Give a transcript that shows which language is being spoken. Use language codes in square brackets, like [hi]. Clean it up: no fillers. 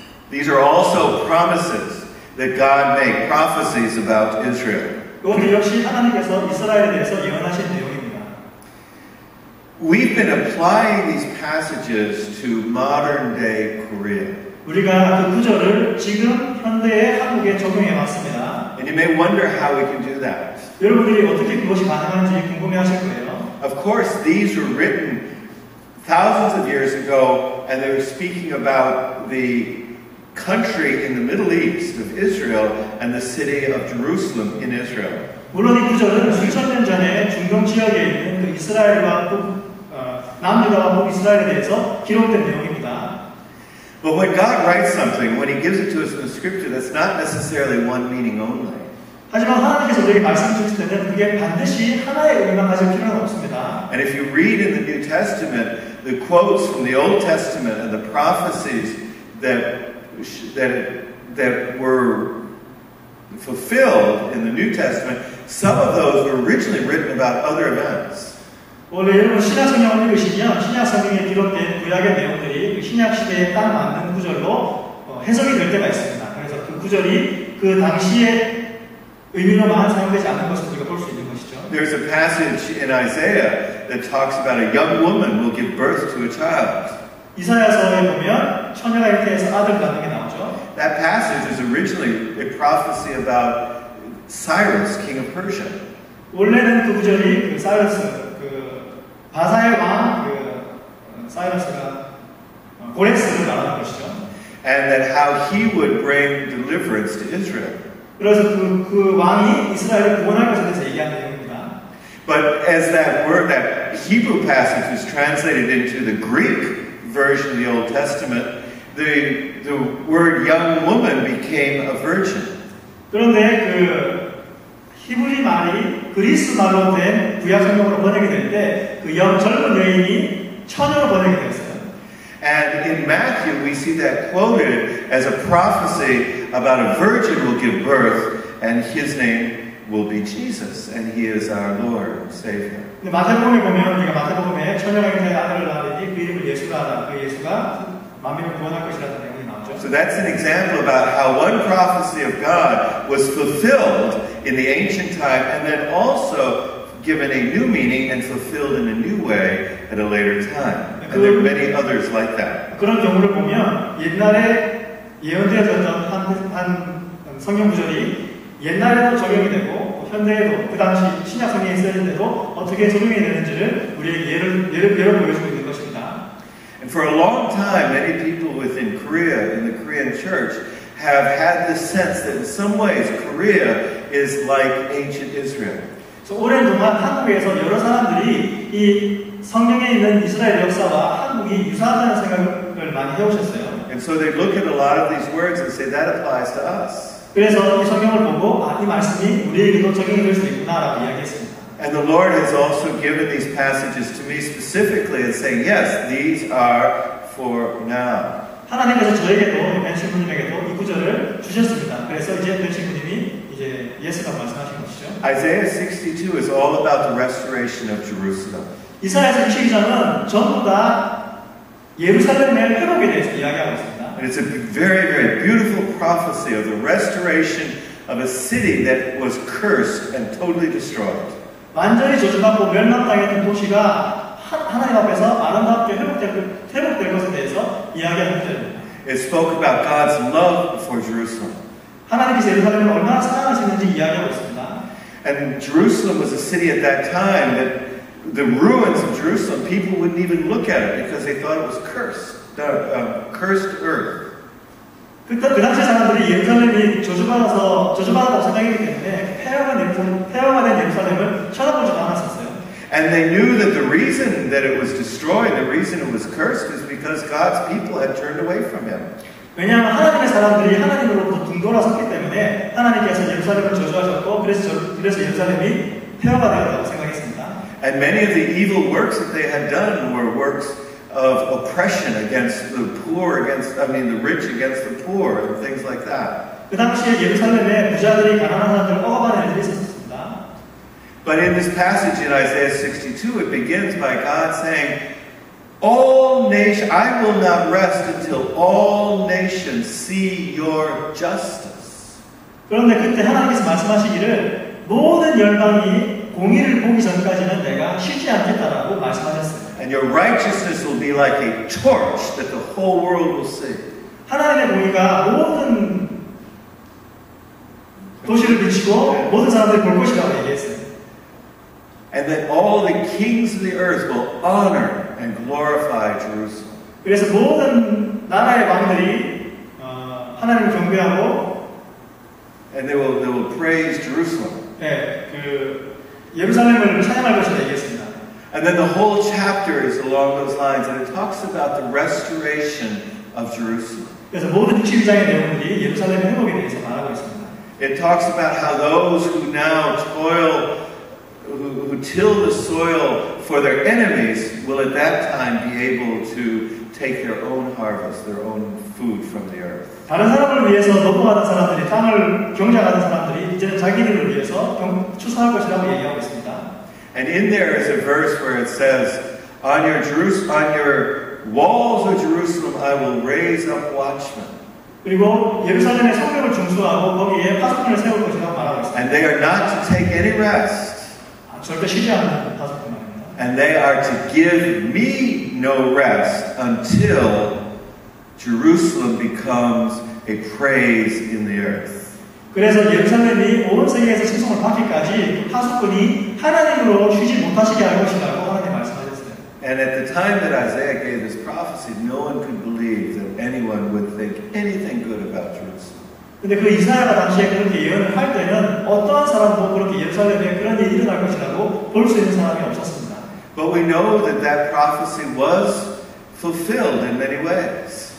[en] These are also promises that God made, prophecies about Israel. We've been applying these passages to modern day Korea. [ko] 우리가 그 구절을 지금 현대의 한국에 적용해 봤습니다. [en] And you may wonder how we can do that. [ko] 여러분들이 어떻게 그것이 가능한지 궁금해하실 거예요. [en] Of course, these were written thousands of years ago, and they were speaking about the country in the Middle East of Israel and the city of Jerusalem in Israel. [ko] 물론 이 구절은 수천 년 전에 중동 지역에 있는 그 이스라엘과 남유다와 북이스라엘에 대해서 기록된 내용입니다. [en] But when God writes something, when He gives it to us in the Scripture, that's not necessarily one meaning only. [ko] 하지만 하나님께서 우리에게 말씀 주실 때는 그게 반드시 하나의 의미만 가질 필요는 없습니다. [en] And if you read in the New Testament, the quotes from the Old Testament and the prophecies that were fulfilled in the New Testament, some of those were originally written about other events. [ko] 원래 여러분 신약성경을 읽으시면 신약성경에 기록된 구약의 내용들이 신약 시대에 딱 맞는 구절로 해석이 될 때가 있습니다. 그래서 그 구절이 그 당시의 의미로만 사용되지 않는 것을 우리가 볼 수 있는 것이죠. [en] There's a passage in Isaiah that talks about a young woman will give birth to a child. [ko] 이사야서에 보면 처녀가 잉태해서 아들 낳는 게 나오죠. [en] That passage is originally a prophecy about Cyrus, king of Persia. [ko] 원래는 그 구절이 그 사이러스 바사의 왕 그 사이러스가 고레스를 말하는 것이죠. [en] And that how he would bring deliverance to Israel. [ko] 그래서 그 왕이 이스라엘을 구원할 것에 대해서 얘기하는 내용입니다. [en] But as that word, that Hebrew passage was translated into the Greek version of the Old Testament, the word young woman became a virgin. [ko] 그런데 그 히브리 말이 그리스 말로 된 구약성경으로 번역이 될 때 그 영 젊은 여인이 처녀로 번역이 됐어요. [en] And in Matthew we see that quoted as a prophecy about a virgin will give birth and his name will be Jesus and he is our Lord and Savior. [ko] 근데 마태복음에 보면 우리가 마태복음에 처녀가 이제 아들을 낳으리니 그 이름을 예수라 하라 그 예수가 만민을 구원할 것이라는 내용이 나오죠. [en] So that's an example about how one prophecy of God was fulfilled in the ancient time and then also given a new meaning and fulfilled in a new way at a later time. And there are many others like that. [ko] 그런 경우를 보면 옛날에 예언되어졌던 한 성경 구절이 옛날에도 적용이 되고 현대에도 그 당시 신약 성경에 쓰였는데도 어떻게 적용이 되는지를 우리의 예를 보여주고 있는 것입니다. [en] And for a long time, many people within Korea, in the Korean church, have had this sense that in some ways Korea is like ancient Israel. [ko] 오랜 동안 한국에서 여러 사람들이 이 성경에 있는 이스라엘 역사와 한국이 유사하다는 생각을 많이 해오셨어요. [en] And And so they look at a lot of these words and say, that applies to us. [ko] 그래서 이 성경을 보고 아, 이 말씀이 우리에게도 적용이 될 수 있구나라고 이야기했습니다. [en] And the Lord has also given these passages to me specifically and saying, yes, these are for now. [ko] 하나님께서 저에게도 멘칭부님에게도 이 구절을 주셨습니다. 그래서 이제 멘칭부님이 이제 예수가 말씀하신 것이죠. [en] Isaiah 62 is all about the restoration of Jerusalem. [ko] 이사야서 62장은 전부 다 예루살렘의 회복에 대해서 이야기하고 있습니다. [en] And it's a very, very beautiful prophecy of the restoration of a city that was cursed and totally destroyed. [ko] 완전히 저주받고 멸망당했던 도시가 하나님 앞에서 아름답게 회복될 것에 대해서 이야기하는 것입니다. [en] It spoke about God's love for Jerusalem. [ko] 하나님께서 예루살렘을 얼마나 사랑하시는지 이야기하고 있습니다. [en] And Jerusalem was a city at that time that the ruins of Jerusalem, people wouldn't even look at it because they thought it was cursed, cursed earth. [ko] 그 당시 사람들이 예루살렘이 저주받았다고 생각했기 때문에 폐허가된 예루살렘을 쳐다보지도 않았었어요. [en] And they knew that the reason that it was destroyed, the reason it was cursed, is because God's people had turned away from Him. [ko] 왜냐하면 하나님의 사람들이 하나님으로부터 등돌아섰기 때문에 하나님께서 예루살렘을 저주하셨고 그래서 예루살렘이 폐허가 되었다고 생각했습니다. [en] And many of the evil works that they had done were works of oppression against the poor, the rich against the poor, and things like that. [ko] 그 당시에 예루살렘에 부자들이 가난한 사람들을 억압하는 일이 있었습니다. [en] But in this passage in Isaiah 62, it begins by God saying, "All nations, I will not rest until all nations see your justice." [ko] 그런데 그때 하나님께서 말씀하시기를 모든 열방이 공의를 보기 전까지는 내가 쉬지 않겠다라고 말씀하셨습니다. [en] And your righteousness will be like a torch that the whole world will see. [ko] 하나님의 공의가 모든 도시를 비추고 모든 사람들이 볼 것이라고 얘기했어요. [en] And that all the kings of the earth will honor and glorify Jerusalem. [ko] 그래서 모든 나라의 왕들이 하나님을 경배하고 [en] And they will praise Jerusalem. [ko] 예, 그 예루살렘을 찬양할 것이라고 얘기했습니다. [en] And then the whole chapter is along those lines, and it talks about the restoration of Jerusalem. [ko] 그래서 모든 7장의 내용들이 예루살렘 회복에 대해서 말하고 있습니다. [en] It talks about how those who now toil, who till the soil for their enemies, will at that time be able to take their own harvest, their own food from the earth. [ko] 다른 사람을 위해서 노동하는 사람들이, 땅을 경작하는 사람들이 이제는 자기들을 위해서 추수할 것이라고 얘기하고 있습니다. [en] And in there is a verse where it says, "On your on your walls of Jerusalem, I will raise up watchmen." [ko] 그리고 예루살렘의 성벽을 중수하고 거기에 파수꾼을 세울 것이라고 말하고 있습니다. [en] And they are not to take any rest. [ko] 아, 절대 쉬지 않는 파수꾼입니다. [en] And they are to give me no rest until Jerusalem becomes a praise in the earth. [ko] 그래서 예루살렘이 온 세계에서 칭송을 받기까지 파수꾼이 하나님으로 쉬지 못하시게 할 것이라고 하나님 말씀하셨어요. [en] And at the time that Isaiah gave this prophecy, no one could believe that anyone would think anything good about Jerusalem. [ko] 근데 그 이사야가 당시에 그렇게 예언을 할 때는 어떠한 사람도 그렇게 예루살렘에 그런 일이 일어날 것이라고 볼 수 있는 사람이 없었습니다. [en] But we know that that prophecy was fulfilled in many ways.